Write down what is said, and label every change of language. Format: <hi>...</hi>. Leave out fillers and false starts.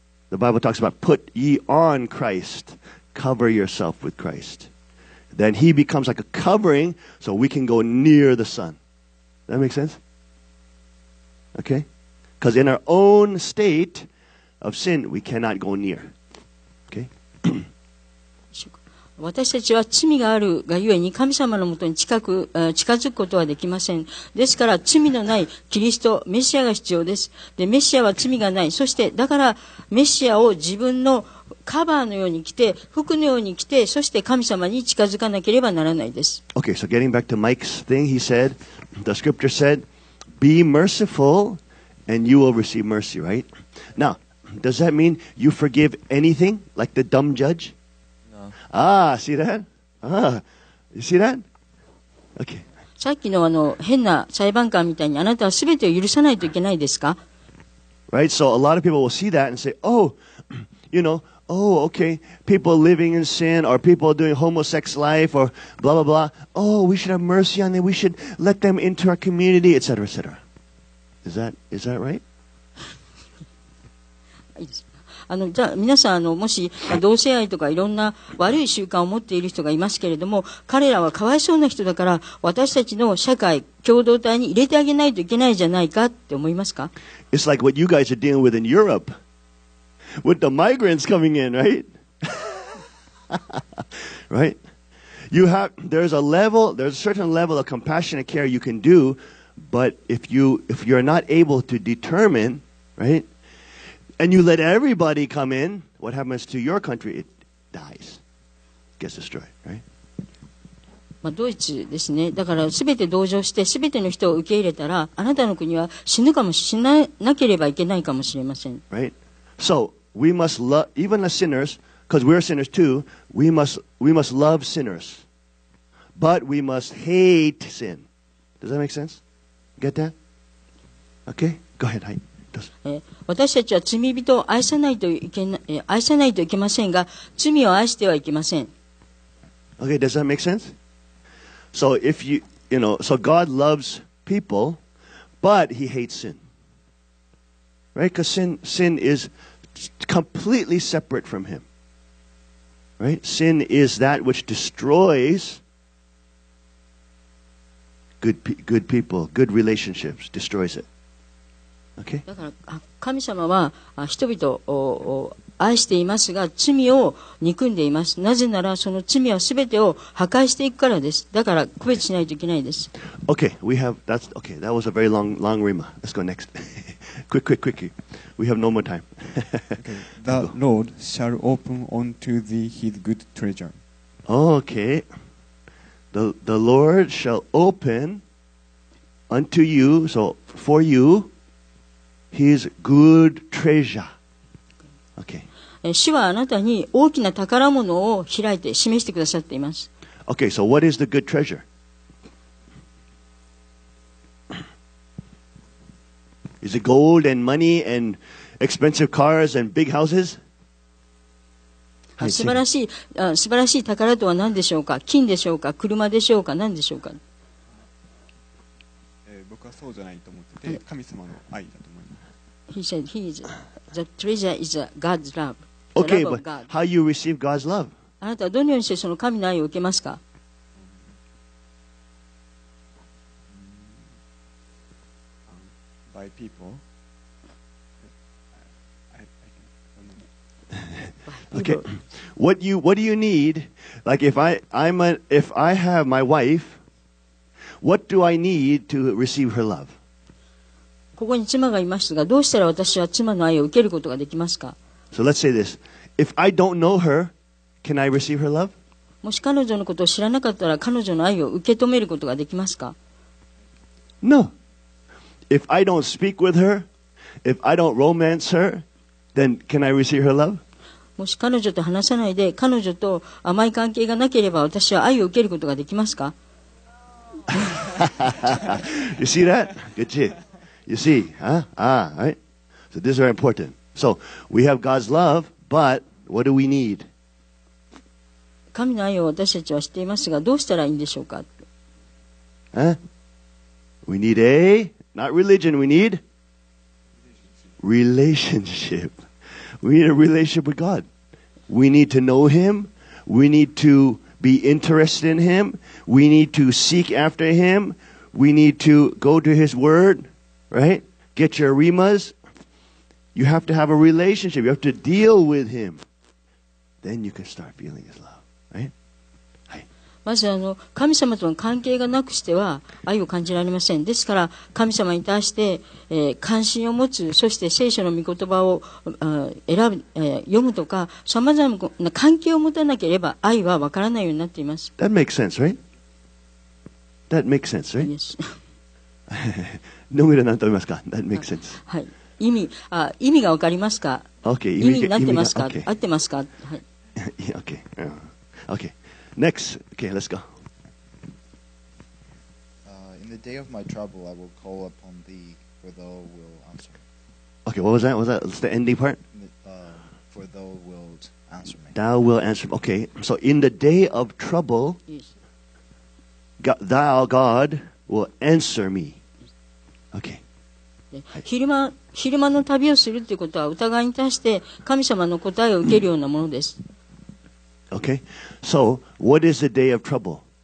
<en>The Bible talks about put ye on Christ. Cover yourself with Christ. then he becomes like a covering so we can go near the sun. That makes sense? Okay? Because in our own state of sin, we cannot go near. Okay?</en> <ja>私たちは罪があるがゆえに神様のもとに近づくことはできません。ですから罪のないキリスト、メシアが必要です。で、メシアは罪がない。そして、だからメシアを自分のカバーのように着て、服のように着て、そして神様に近づかなければならないです。</ja> <en>Okay, so getting back to Mike's thing, he said, the scripture said, be merciful and you will receive mercy, right? Now, does that mean you forgive anything, like the dumb judge? Ah, see that? Ah, you see that? Okay.</en> <ja>さっきのあの変な裁判官みたいにあなたはすべてを許さないといけないですか?</ja> <en>Right, so a lot of people will see that and say, oh, you know, oh, okay, people living in sin or people doing homosex life or blah, blah, blah. Oh, we should have mercy on them. We should let them into our community, etc., etc. Is that right? I just...</en> <ja>あのじゃあ皆さんあのもし同性愛とかいろんな悪い習慣を持っている人がいますけれども彼らはかわいそうな人だから私たちの社会共同体に入れてあげないといけないじゃないかって思いますか</ja> <en>It's like what you guys are dealing with in Europe with the migrants coming in, right? right? You have, there's a level, there's a certain level of compassion and care you can do but if you're not able to determine, right? And you let everybody come in, what happens to your country? It dies. Gets destroyed, right?</en> <ja>ドイツですね。だから全て同情して全ての人を受け入れたら、あなたの国は死ぬかもしれなければいけないかもしれません。</ja> <en>Right? So, we must love, even as sinners, because we're sinners too, we must love sinners. But we must hate sin. Does that make sense? Get that? Okay? Go ahead, hi.</en> <ja>私たちは罪人を愛さないといけない、愛さないといけませんが、罪を愛してはいけません。</ja> <en>Okay, does that make sense? So if you, you know, so God loves people, but he hates sin. Right? Because sin is completely separate from him. Right? Sin is that which destroys good people, good relationships, destroys it. Okay.</en> <ja>だから神様は人々を愛していますが罪を憎んでいます。なぜならその罪は全てを破壊していくからです。だから区別しないといけないです。</ja> <en>Okay, we have, that's, okay, that was a very long, long rima. Let's go next. quick, quick, quick. We have no more time. okay. The Lord shall open unto thee his good treasure. Okay. The Lord shall open unto you, so for you,His good treasure. Okay.</en> <ja>主はあなたに大きな宝物を開いて示してくださっています。</ja> <en>Okay, so what is the good treasure? Is it gold and money and expensive cars and big houses?</en> <ja>素晴らしい宝とは何でしょうか金でしょうか車でしょうか何でしょうか僕はそうじゃないと思ってて、神様の愛だと。</ja> <en>He said, the treasure is God's love. Okay, love God. How you receive God's love?</en> <ja>あなたはどのようにしてその神の愛を受けますか?</ja> <en>By people. okay. What do you need? Like if I have my wife, what do I need to receive her love?</en> <ja>ここに妻がいますが、どうしたら私は妻の愛を受けることができますか?</ja> <en>So let's say this. If I don't know her, can I receive her love?</en> <ja>もし彼女のことを知らなかったら、彼女の愛を受け止めることができますか?</ja> <en>No. If I don't speak with her, if I don't romance her, then can I receive her love?</en> <ja>もし彼女と話さないで、彼女と甘い関係がなければ、私は愛を受けることができますか?</ja> <en>You see that? Good job. You see, huh? Ah, right? So this is very important. So, we have God's love, but what do we need?</en> <ja>神の愛を私たちは知っていますが、どうしたらいいんでしょうか?</ja> <en>Huh? We need a, not religion, we need relationship. We need a relationship with God. We need to know Him. We need to be interested in Him. We need to seek after Him. We need to go to His Word, right? Get your remas. You have to have a relationship. You have to deal with Him. Then you can start feeling His love, right?</en> <ja>まず神様との関係がなくしては愛を感じられません。ですから神様に対して、関心を持つ、そして聖書の御言葉を選ぶ、読むとか、さまざまな関係を持たなければ愛は分からないようになっています。</ja> <en>That makes sense, right? That makes sense, right? Yes.</en> <ja>野村何と言いますか?</ja> <en>That makes sense.</en> <ja>はい、意味が分かりますか?</ja> <en>Okay,</en> <ja>意味になってますか?</ja> <en>Okay.</en> <ja>合ってますか?はい、</ja> <en>yeah, okay. Okay. Next, okay, let's go. In the day of my trouble, I will call upon thee, for thou wilt answer. Okay, what was that? Was that the ending part? For thou wilt answer me. Thou wilt answer me. Okay, so in the day of trouble, thou, God, will answer me. Okay.</en> <ja>昼間の旅をするということは、疑いに対して神様の答えを受けるようなものです。</ja> <en>Okay, so what is the day of trouble?</en>